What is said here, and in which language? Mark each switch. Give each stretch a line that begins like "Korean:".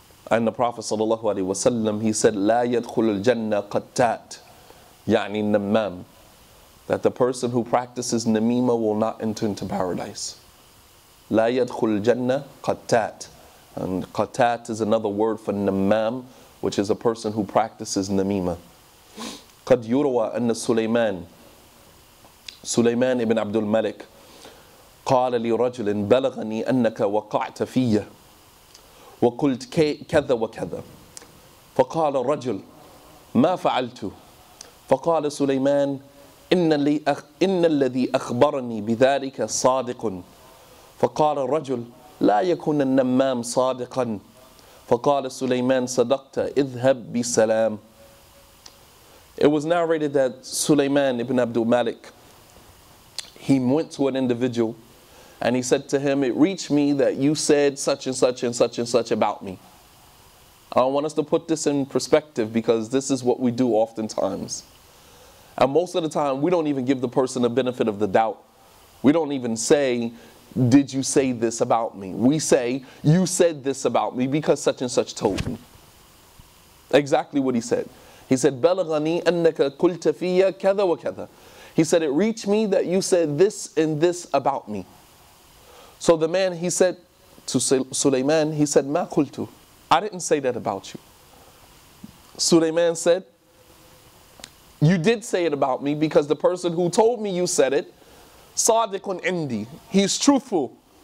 English: And the Prophet sallallahu alaihi wasallam, he said,
Arabic: لا يدخل الجنة قتات, يعني نمام,
English: that the person who practices namima will not enter into paradise.
Arabic: لا يدخل الجنة قتات.
English: And قتات is another word for نمام, which is a person who practices namima.
Arabic: قد يروى أن سليمان, Sulaiman ibn Abdul Malik, قال لرجل بلغني أنك وقعت فيا وقلت كذا وكذا فقال الرجل ما فعلت فقال سليمان إن الذي أخبرني بذلك صادق فقال الرجل لا يكون النمام صادقا فقال سليمان صدقت اذهب بسلام.
English: It was narrated that Sulaiman ibn Abdul Malik, he went to an individual and he said to him, it reached me that you said such and such and such and such about me. I want us to put this in perspective because this is what we do oftentimes. And most of the time, we don't even give the person the benefit of the doubt. We don't even say, did you say this about me? We say, you said this about me because such and such told me. Exactly what he said. He said,
Arabic: بَلَغَنِي أَنَّكَ قُلْتَ فِيَّ كَذَا وَكَذَا.
English: He said, it reached me that you said this and this about me. So the man, he said to Sulaiman, he said,
Arabic: ما قلت?
English: I didn't say that about you. Sulaiman said, you did say it about me because the person who told me you said it,
Arabic: صادقٌ عندي,
English: he's truthful.